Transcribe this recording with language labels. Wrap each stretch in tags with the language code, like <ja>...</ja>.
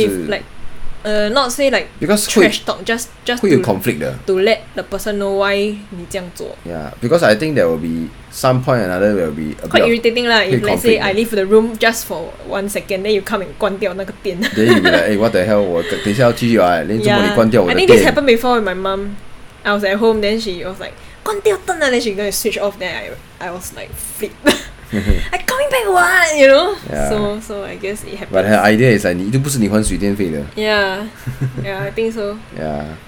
<en>if like, not say like because trash talk, just to conflict to let the person know why 你这样做. Yeah, because I think there will be some point or another will be a quite irritating lah. If let's say I leave the room just for 1 second, then you come and 关掉那个电. Then you be like, hey, what the hell?</en> <zh>我等一下要继续啊, 你怎么你关掉我的电?</zh> <en>I think this happened before with my mom. I was at home, then she was like, 关掉灯啊, then she gonna switch off. Then I was like, flip. I coming back what, you know? Yeah. So I guess it happens.</en> <zh>But her idea is like, 你就不是你还水电费的.</zh> <en>Yeah, I think so. Yeah.</en>